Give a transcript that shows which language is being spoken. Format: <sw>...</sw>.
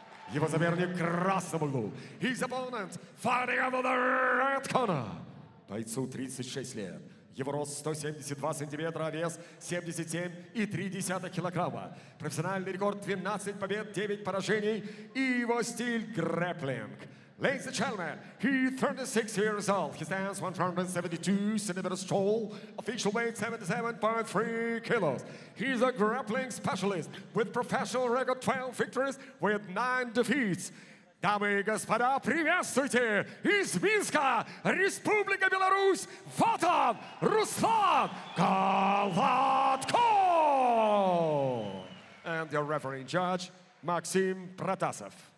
<ru>Его соперник красным углом.</ru> <en>His opponent fighting out of the red corner.</en> <ru>Бойцу 36 лет. Его рост 172 сантиметра, вес 77,3 килограмма. Профессиональный рекорд 12 побед, 9 поражений и его стиль грэпплинг.</ru> <en>Ladies and gentlemen, he's 36 years old. He stands 172 centimeters tall. Official weight 77.3 kilos. He's a grappling specialist with professional record 12 victories with 9 defeats.</en> <ru>Дамы и господа, приветствуйте из Минска, Республика Беларусь, вот он, Руслан Голодко!</ru> <en>And your referee judge, Максим Протасов.</en>